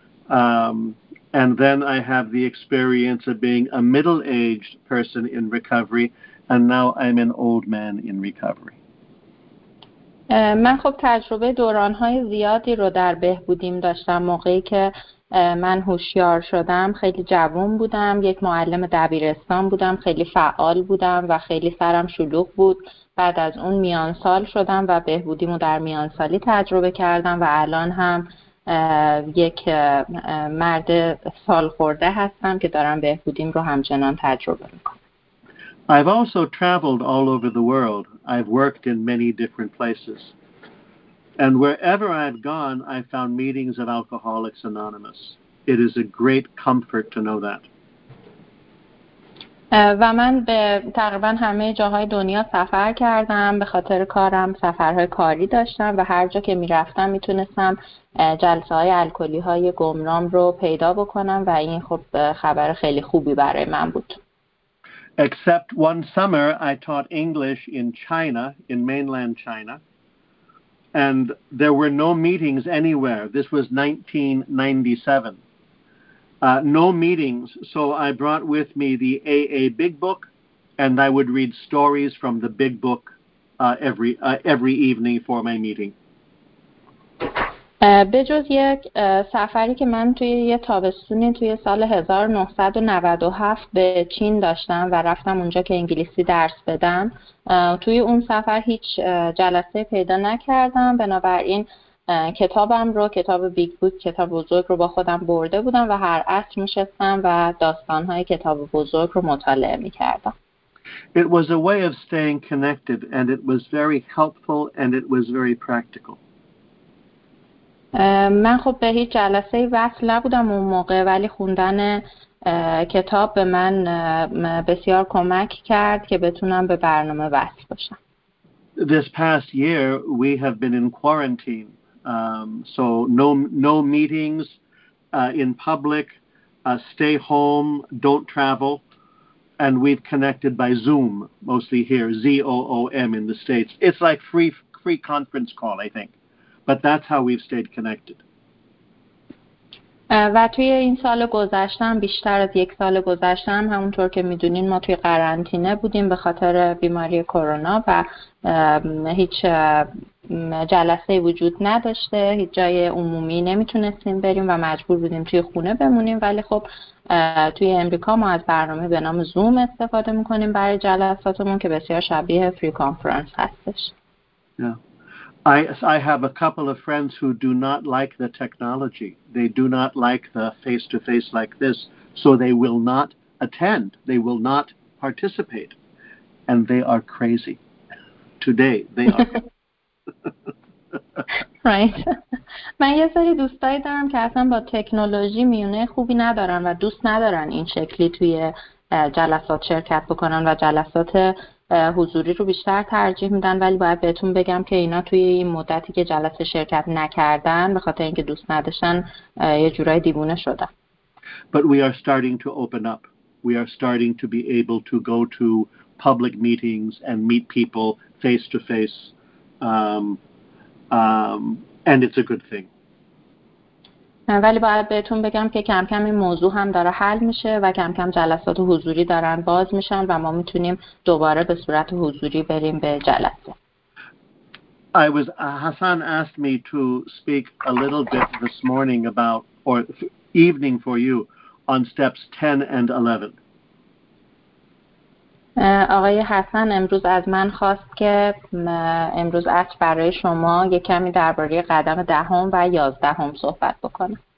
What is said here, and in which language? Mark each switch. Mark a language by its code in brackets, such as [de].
[en] And then I have the experience of being a middle-aged person in recovery. And now I'm an old man in recovery. [fa] من خب تجربه دوران‌های زیادی رو در بهبودیم داشتم. موقعی که من هوشیار شدم خیلی جوان بودم، یک معلم دبیرستان بودم، خیلی فعال بودم و خیلی سرم شلوغ بود. بعد از اون میانسال شدم و بهبودیم رو در میانسالی تجربه کردم و الان هم یک مرد سال خورده هستم که دارم بهبودیم رو همچنان تجربه میکنم. [en] I've also traveled all over the world. I've worked in many different places. And wherever I've gone, I've found meetings of Alcoholics Anonymous. It is a great comfort to know that. [fa] و من به تقریبا همه جاهای دنیا سفر کردم. به خاطر کارم سفرهای کاری داشتم و هر جا که میرفتم میتونستم جلسه های الکلی های گمنام رو پیدا بکنم و این خب خبر خیلی خوبی برای من بود. [en] Except one summer, I taught English in China, in mainland China, and there were no meetings anywhere. This was 1997. No meetings, so I brought with me the AA Big Book, and I would read stories from the Big Book every evening for my meeting. [fa] به جز یک سفری که من توی یه تابستونی توی سال 1997 به چین داشتم و رفتم اونجا که انگلیسی درس بدم، توی اون سفر هیچ جلسه پیدا نکردم. بنابراین کتابم رو، کتاب بیگ بوک، کتاب بزرگ رو با خودم برده بودم و هر عصر میشستم و داستانهای کتاب بزرگ رو مطالعه میکردم. [en] It was a way of staying connected and it was very helpful and it was very practical. [fa] من خب به هیچ جلسه وصل نبودم اون موقع، ولی خوندن کتاب به من بسیار کمک کرد که بتونم به برنامه وصل باشم. [en] This past year, we have been in quarantine. So no meetings in public, stay home, don't travel. And we've connected by Zoom, mostly here, Zoom in the States. It's like free conference call, I think. But that's how we've stayed connected. [fa] و توی این سال گذشتم، بیشتر از یک سال گذشتم، همونطور که میدونین ما توی قرنطینه بودیم به خاطر بیماری کرونا و هیچ جلسه وجود نداشته، هیچ جای عمومی نمیتونستیم بریم و مجبور بودیم توی خونه بمونیم. ولی خب توی امریکا ما از برنامه به نام زوم استفاده میکنیم برای جلساتمون که بسیار شبیه فری کانفرنس هستش. [en] I have a couple of friends who do not like the technology. They do not like the face-to-face like this, so they will not attend. They will not participate. And they are crazy. Today, they are crazy. Right. [fa] من یه سری دوستایی دارم که اصلا با تکنولوژی میونه خوبی ندارن و دوست ندارن این شکلی توی جلسات شرکت بکنن و جلسات حضوری رو بیشتر ترجیح میدن، ولی باید بهتون بگم که اینا توی این مدتی که جلسه شرکت نکردن به خاطر اینکه دوست نداشتن یه جورای دیوونه شدن. [en] But we are starting to open up. We are starting to be able to go to public meetings and meet people face to face. And it's a good thing. [fa] ولی باید بهتون بگم که کم کم این موضوع هم داره حل میشه و کم کم جلسات حضوری دارن باز میشن و ما میتونیم دوباره به صورت حضوری بریم به جلسه. [en] Hassan asked me to speak a little bit this morning about, or evening for you, on steps 10 and 11. [fa] آقای حسن امروز از من خواست که امروز عصر برای شما یک کمی درباره قدم دهم و یازدهم صحبت بکنم.